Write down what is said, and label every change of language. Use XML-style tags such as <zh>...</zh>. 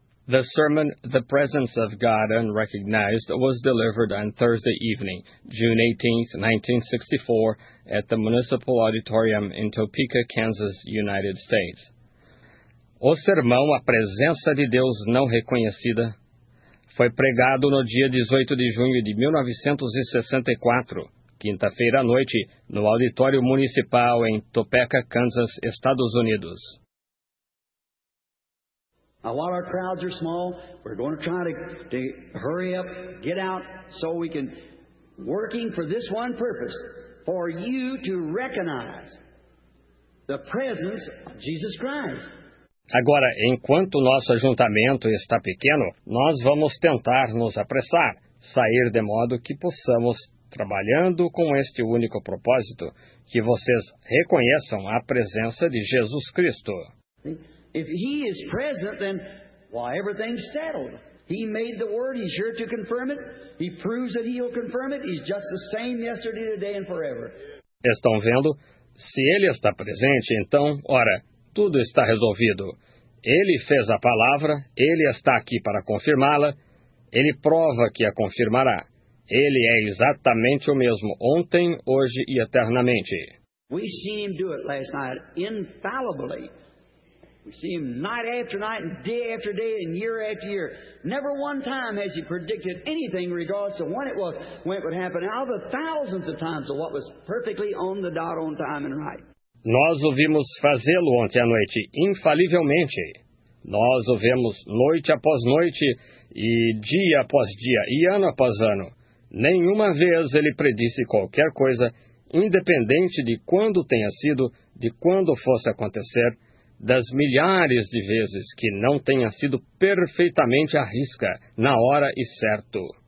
<en>The sermon, The Presence of God Unrecognized, was delivered on Thursday evening, June 18, 1964, at the Municipal Auditorium in Topeka, Kansas, United States.</en> <pt>O sermão A Presença de Deus Não Reconhecida foi pregado no dia 18 de junho de 1964, quinta-feira à noite, no Auditório Municipal em Topeka, Kansas, Estados Unidos.</pt> <en>Now, while our crowds are small, we're going to try to hurry up, get out, so we can, working for this one purpose, for you to recognize the presence of Jesus Christ.</en> <pt>Agora, enquanto o nosso ajuntamento está pequeno, nós vamos tentar nos apressar, sair de modo que possamos, trabalhando com este único propósito, que vocês reconheçam a presença de Jesus Cristo. Sim.</pt> <en>If he is present, then why, everything's settled. He made the word, he's sure to confirm it. He proves that he'll confirm it. He's just the same yesterday, today and forever.</en> <pt>Estão vendo? Se ele está presente, então, ora, tudo está resolvido. Ele fez a palavra, ele está aqui para confirmá-la. Ele prova que a confirmará. Ele é exatamente o mesmo ontem, hoje e eternamente.</pt> <en>We see him do it last night infallibly. We see him night after night, and day after day, and year after year. Never one time has he predicted anything in regards to when it was, when it would happen. All the thousands of times of what was perfectly on the dot, on time and right.</en> <pt>Nós o vimos fazê-lo ontem à noite, infalivelmente. Nós o vemos noite após noite, e dia após dia, e ano após ano. Nenhuma vez ele predisse qualquer coisa, independente de quando tenha sido, de quando fosse acontecer, das milhares de vezes que não tenha sido perfeitamente à risca, na hora e certo.</pt>